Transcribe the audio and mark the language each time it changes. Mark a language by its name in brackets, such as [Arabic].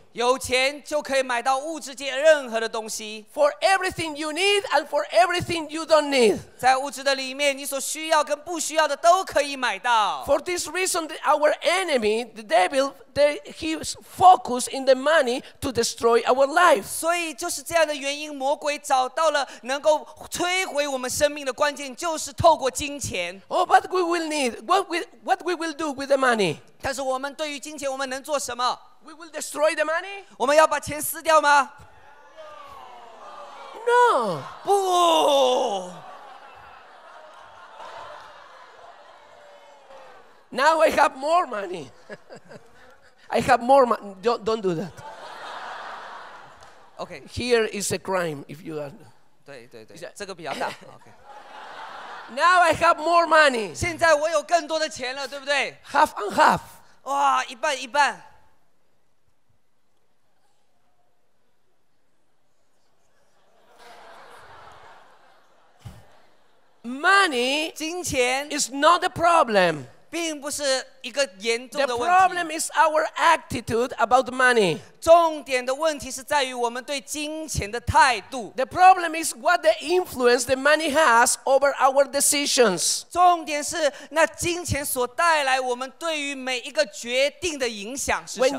[Chinese] 有钱就可以买到物质界任何的东西。 [English] For everything you need and for everything you don't need， [Chinese] 在物质的里面，你所需要跟不需要的都可以买到。 [English] For this reason, our enemy, the devil, he focuses in the money to destroy our life. [Chinese] 所以就是这样的原因，魔鬼找到了能够摧毁我们生命的关键，就是透过金钱。 [English] Oh, but we will need what we will do with the money. [Chinese] 但是我们对于金钱，我们能做什么？ [English] We will destroy the money? [Chinese] 我们要把钱撕掉吗？ [English] No. [Chinese] 不。 [English] Now I have more money. I have more money. Don't do that. Okay. Here is a crime if you are. [Chinese] 对对对，这个比较大。Okay. [English] Now I have more money. [Chinese] 现在我有更多的钱了，对不对？ [English] Half and half. [Chinese] 哇，一半一半。 [English] Money [Chinese] 金钱 [English] is not a problem. [Chinese] 并不是一个严重的问题。 [English] The problem is our attitude about money. [Chinese] 重点的问题是在于我们对金钱的态度。 [English] The problem is what the influence the money has over our decisions. [Chinese] 重点是那金钱所带来我们对于每一个决定的影响是什么。